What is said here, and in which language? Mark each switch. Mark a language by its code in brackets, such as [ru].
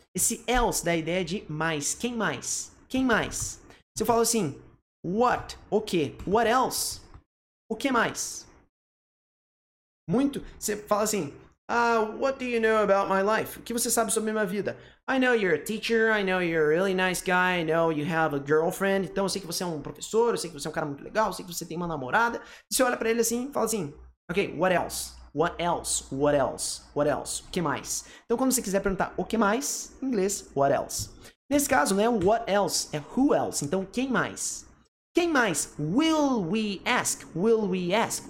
[pt] Esse else dá a ideia de mais. Quem mais? Quem mais? Se eu falo assim, what? O quê? [en] What else? [pt] O que mais? Muito. Você fala assim, [en] what do you know about my life? [pt] O que você sabe sobre minha vida? [en] I know you're a teacher. I know you're a really nice guy. I know you have a girlfriend. [pt] Então, eu sei que você é um professor. Eu sei que você é um cara muito legal. Eu sei que você tem uma namorada. E você olha pra ele assim, fala assim, ok, [en] what else? What else? What else? What else? [pt] O que mais? Então, quando você quiser perguntar o que mais, em inglês, [en] what else? [pt] Nesse caso, não é what else, é [en] who else. [pt] Então, quem mais? Quem mais? [en] Will we ask? Will we ask?